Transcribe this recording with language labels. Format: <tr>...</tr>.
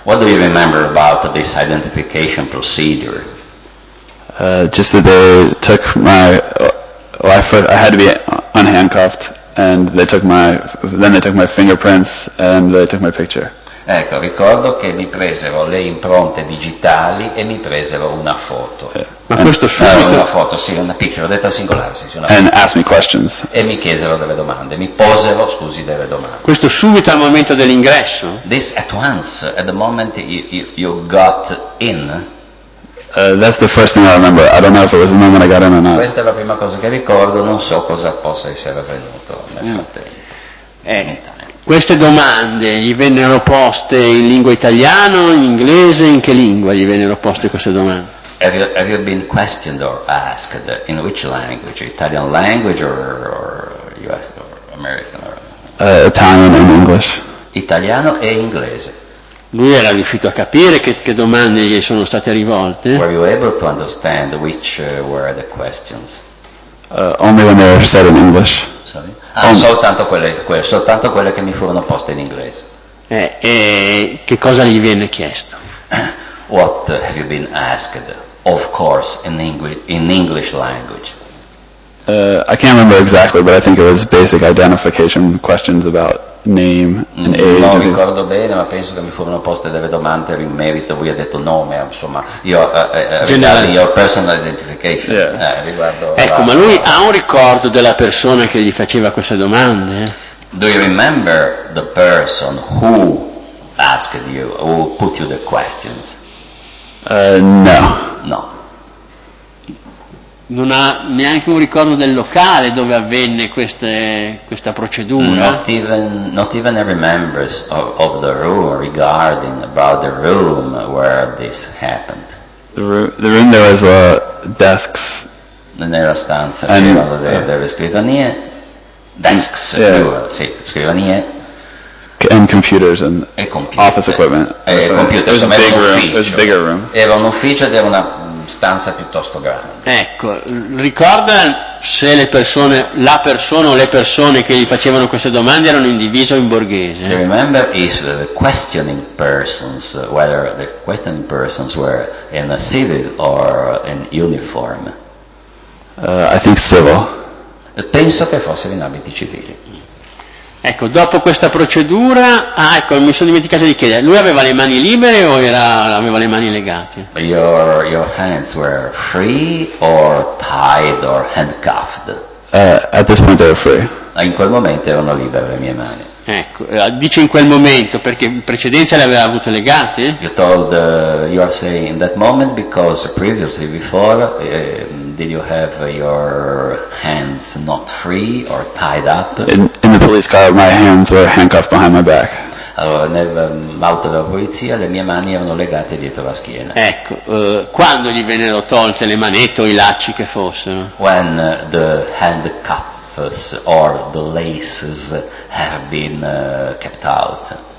<en>What do you remember about this identification procedure? Just that they took my I had to be unhandcuffed. And they took my fingerprints and they took my picture.</en> <it>Ecco, ricordo che mi presero le impronte digitali e mi presero una foto. Ma questo subito. Una foto, sì, una picture, ho detto al singolare, sì, una.</it> <en>And asked me questions.</en> <it>E mi chiesero delle domande, mi posero, scusi, delle domande. Questo subito al momento dell'ingresso.</it> <en>This at once, at the moment you got in. That's the first thing I remember. I don't know if it was the moment I got in or not.</en> <it>Questa è la prima cosa che ricordo, non so cosa possa essere avvenuto nel Queste domande gli vennero poste in lingua italiana, in inglese, in che lingua gli vennero poste queste domande?</it> <en>Have you been questioned or asked in which language? Italian language or US or American or Italian and English.</en> <it>Italiano e inglese. Lui era riuscito a capire che domande gli sono state rivolte?</it> <en>Were you able to understand which were the questions? Only when they were said in English. Sorry?</en> <it>Soltanto quelle che mi furono poste in inglese. E che cosa gli viene chiesto?</it> <en>What have you been asked? Of course, in English language. I can't remember exactly, but I think it was basic identification questions about name and age.</en> <it>Non ricordo bene, ma penso che mi furono poste delle domande in merito. Lui ha detto nome, insomma,</it> <en>your personal identification. Yeah.</en> <it>Ma lui ha un ricordo della persona che gli faceva queste domande?</it> <en>Do you remember the person who asked you, who put you the questions? No.</en> <it>No. non ha neanche un ricordo del locale dove avvenne questa procedura.</it> <en>Not even remembers of the room regarding about the room where this happened. The room there was desks.</en> <it>Nella stanza dove scrivania. Desks. Scrivania.</it> <en>And computers and</en> <it>computer.</it> <en>Office equipment.</en> <it>Computer.</it> <en>There's a bigger room.</en> <it>Era un ufficio ed era una stanza piuttosto grande. Ecco, ricorda se le persone che gli facevano queste domande erano in divisa o in borghese?</it> <en>Do you remember if the questioning persons, whether the questioning persons were in a civil or in uniform? I think civil.</en> <it>Penso che fossero in abiti civili. Ecco, dopo questa procedura, mi sono dimenticato di chiedere, lui aveva le mani libere o aveva le mani legate?</it> <en>Your hands were free or tied or handcuffed? At this point they were free.</en> <it>In quel momento erano libere le mie mani. Ecco, dice in quel momento, perché in precedenza le aveva avute legate?</it> <en>You are saying in that moment because previously before did you have your hands not free or tied up? In the police car my hands were handcuffed behind my back.</en> <it>Allora, nell'auto della polizia le mie mani erano legate dietro la schiena. Ecco, quando gli vennero tolte le manette o i lacci che fossero?</it> <en>When the handcuffs or the laces have been kept out.</en>